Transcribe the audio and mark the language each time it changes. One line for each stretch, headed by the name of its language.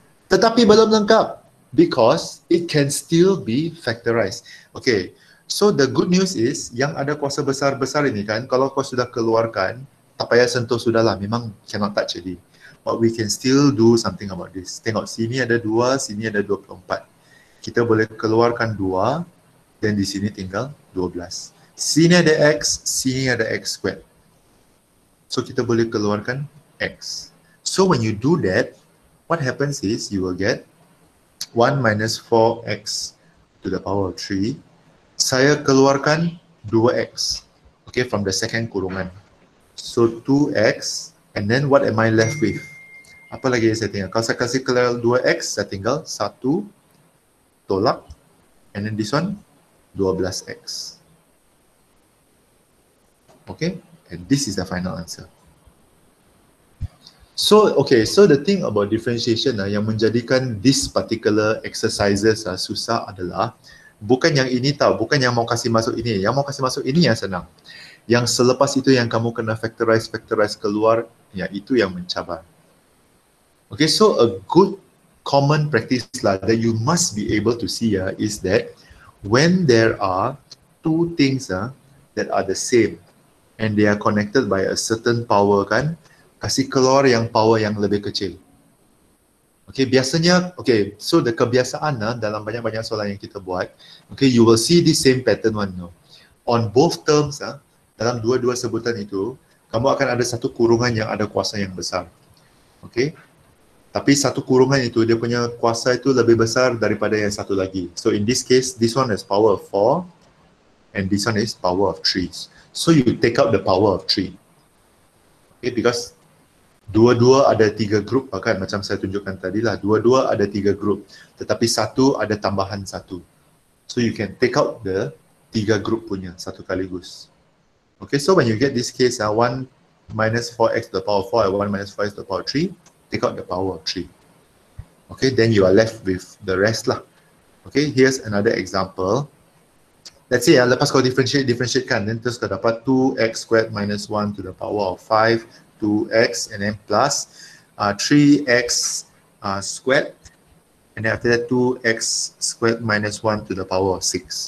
Malay: Tetapi belum lengkap,
English: because it can still be factorized. Okay, so the good news is,
Malay: yang ada kuasa besar-besar ini kan, kalau kau sudah keluarkan, tak payah sentuh sudahlah, memang
English: cannot touch
Malay: jadi.
English: But we can still do something about this.
Malay: Tengok, sini ada 2, sini ada 24. Kita boleh keluarkan 2, dan di sini tinggal 12. Sini ada x, sini ada x squared. So kita boleh keluarkan x.
English: So when you do that, what happens is you will get 1 minus 4x to the power of 3.
Malay: Saya keluarkan 2x, okay,
English: from the second
Malay: kurungan.
English: So 2x, and then what am I left with?
Malay: Apa lagi yang saya tinggal? Kalau saya kasih keluar 2x, saya tinggal 1 tolak,
English: and then this one,
Malay: 12x.
English: Okay, and this is the final answer. So, okay, so the thing about differentiation
Malay: yang menjadikan
English: this particular exercises
Malay: susah adalah Bukan yang ini tau, bukan yang mau kasih masuk ini. Yang mau kasih masuk ini yang senang. Yang selepas itu yang kamu kena factorize keluar, ya itu yang mencabar.
English: Okay, so a good common practice lah that you must be able to see is that when there are two things that are the same and they are connected by a certain power kan,
Malay: kasih keluar yang power yang lebih kecil. Okay, biasanya, okay, so the kebiasaan dalam banyak-banyak soalan yang kita buat, okay,
English: you will see the same pattern one.
Malay: No?
English: On both terms,
Malay: dalam dua-dua sebutan itu, kamu akan ada satu kurungan yang ada kuasa yang besar. Okay? Tapi satu kurungan itu, dia punya kuasa itu lebih besar daripada yang satu lagi.
English: So in this case, this one is power of 4 and this one is power of 3. So you take out the power of 3. Okay, because
Malay: dua-dua ada tiga grup, kan? Macam saya tunjukkan tadi lah. Dua-dua ada tiga grup. Tetapi satu ada tambahan satu.
English: So you can take out the
Malay: tiga grup punya satu kaligus.
English: Okay, so when you get this case, 1 minus 4x to the power of 4 and 1 minus 5x to the power of 3, take out the power of 3. Okay, then you are left with the rest lah. Okay, here's another example. Let's say,
Malay: lepas kau differentiate kan,
English: then
Malay: terus kau dapat
English: 2x squared minus 1 to the power of 5, 2x and then plus 3x squared and then after that 2x squared minus 1 to the power of 6.